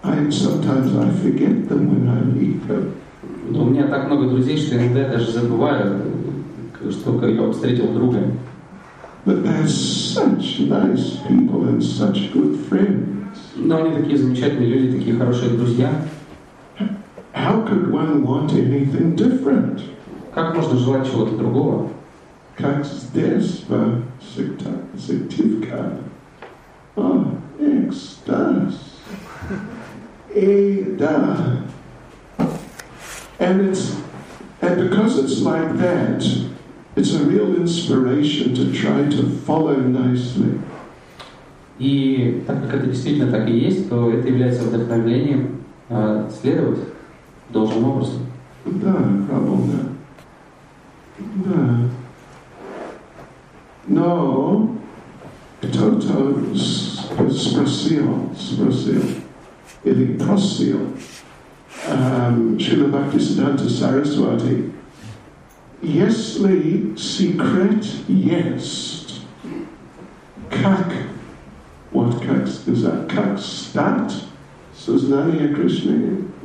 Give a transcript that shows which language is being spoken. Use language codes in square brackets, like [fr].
[en] Sometimes I forget them when I meet them. [ru] Но у меня так много друзей, что иногда я даже забываю, что я встретил друга. [en] But they're such nice people and such good friends. [ru] Но они такие замечательные люди, такие хорошие друзья. [en] How could one want anything different? [ru] Как можно желать чего-то другого? Как здесь, Сыктывкар. О, экстаз. Эда. [en] And because it's like that, it's a real inspiration to try to follow nicely. [ru] И так как это действительно так и есть, то это является вдохновлением следовать. Должным образом. Да, правильно. Да. Но кто-то спросил, или просил Шрила Бхактисиддханта Сарасвати, если секрет есть, как, вот как сказать, как стать сознание Кришны?